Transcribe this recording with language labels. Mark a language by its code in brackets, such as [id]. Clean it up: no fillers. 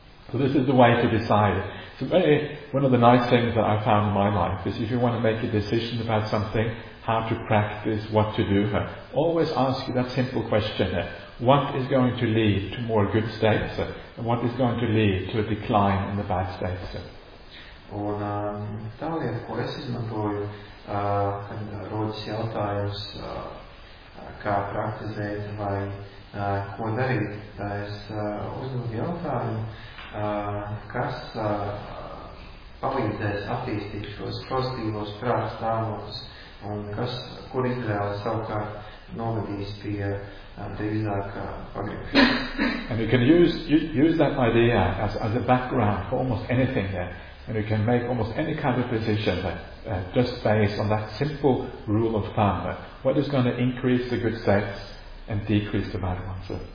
[en] So this is the way to decide. So one of the nice things that I found in my life is if you want to make a decision about something, how to practice, what to do, always ask that simple question, what is going to lead to more good states and what is going to lead to a decline in the bad states? [lv] Un tā lieta, ko es izmantoju, kad rodas jautājums, kā praktizēt vai ko darīt, tā es uzdodu jautājumu, kas palīdzēs attīstīt šos pozitīvos prāta stāvokļus un kas, kur izvēle savukārt novedīs pie drīzāk pagriešanās. [en] And you can use that idea as a background for almost anything there. And you can make almost any kind of decision just based on that simple rule of thumb. What is going to increase the good states and decrease the bad ones?